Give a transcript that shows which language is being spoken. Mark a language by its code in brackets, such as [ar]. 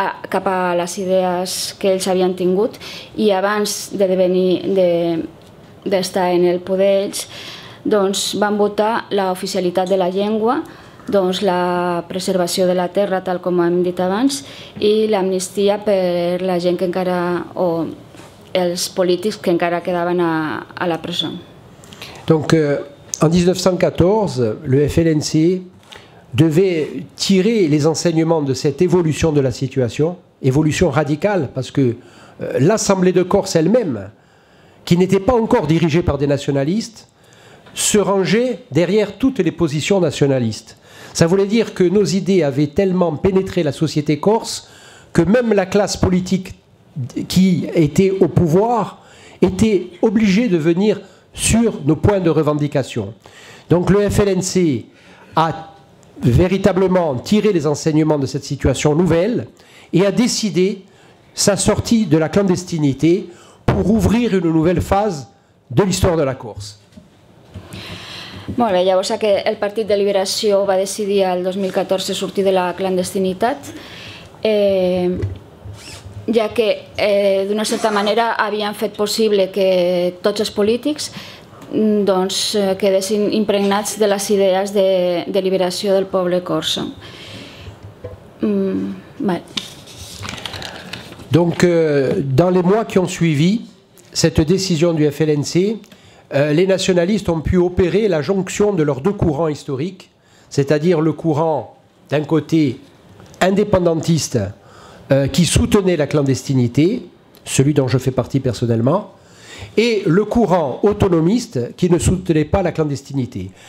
[ca] cap a les idees que ells havien tingut i abans d'estar en el poder ells doncs van votar l'oficialitat de la llengua, doncs la preservació de la terra, tal com hem dit abans, i l'amnistia per la gent que encara, o els polítics que encara quedaven a la presó. [fr] Donc, en 1914, le FLNC devait tirer les enseignements de cette évolution de la situation, évolution radicale, parce que l'Assemblée de Corse elle-même, qui n'était pas encore dirigée par des nationalistes, se ranger derrière toutes les positions nationalistes. Ça voulait dire que nos idées avaient tellement pénétré la société corse que même la classe politique qui était au pouvoir était obligée de venir sur nos points de revendication. Donc le FLNC a véritablement tiré les enseignements de cette situation nouvelle et a décidé sa sortie de la clandestinité pour ouvrir une nouvelle phase de l'histoire de la Corse. [ca] Bé, llavors el Partit de Liberació va decidir el 2014 sortir de la clandestinitat, ja que d'una certa manera havien fet possible que tots els polítics quedessin impregnats de les idees de liberació del poble corso. [fr] Donc, dans les mois qui ont suivi cette décision du FLNC, les nationalistes ont pu opérer la jonction de leurs deux courants historiques, c'est-à-dire le courant d'un côté indépendantiste qui soutenait la clandestinité, celui dont je fais partie personnellement, et le courant autonomiste qui ne soutenait pas la clandestinité.